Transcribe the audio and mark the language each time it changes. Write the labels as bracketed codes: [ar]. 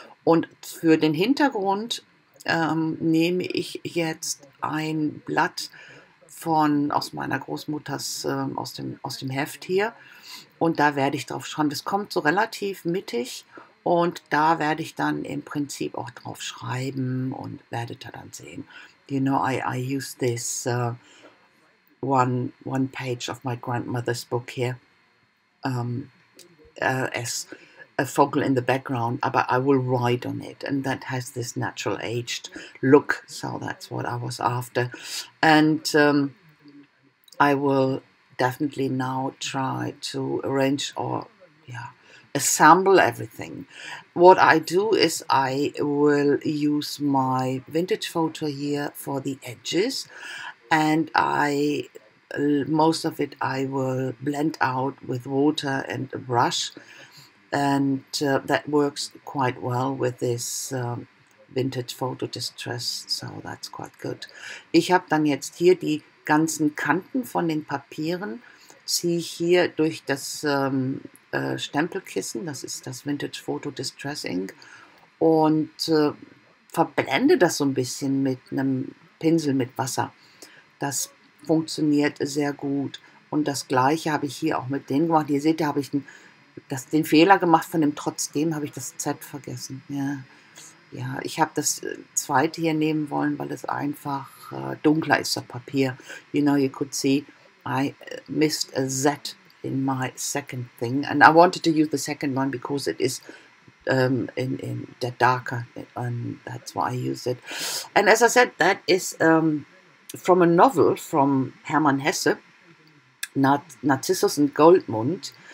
[de] Und für den Hintergrund nehme ich jetzt ein Blatt von aus meiner Großmutters aus dem Heft hier und da werde ich drauf schreiben. Das kommt so relativ mittig und da werde ich dann im Prinzip auch drauf schreiben und werdet ihr dann sehen. [en] You know, I use this one page of my grandmother's book here as a focal in the background, but I will write on it, and that has this natural aged look, so that's what I was after. And I will definitely now try to arrange assemble everything. What I do is I will use my vintage photo here for the edges, and most of it I will blend out with water and a brush. And that works quite well with this vintage photo distress, so that's quite good. [de] Ich habe dann jetzt hier die ganzen Kanten von den Papieren, ziehe ich hier durch das Stempelkissen, das ist das Vintage Photo Distress Ink, und verblende das so ein bisschen mit einem Pinsel mit Wasser. Das funktioniert sehr gut. Und das Gleiche habe ich hier auch mit denen gemacht. Ihr seht, da habe ich den Fehler gemacht von dem Trotzdem, habe ich das Z vergessen. Ja, ich habe das zweite hier nehmen wollen, weil es einfach dunkler ist, das Papier. [en] You know, you could see, I missed a Z in my second thing. And I wanted to use the second one, because it is in the darker. And that's why I use it. And as I said, that is from a novel from Hermann Hesse, Narcissus and Goldmund.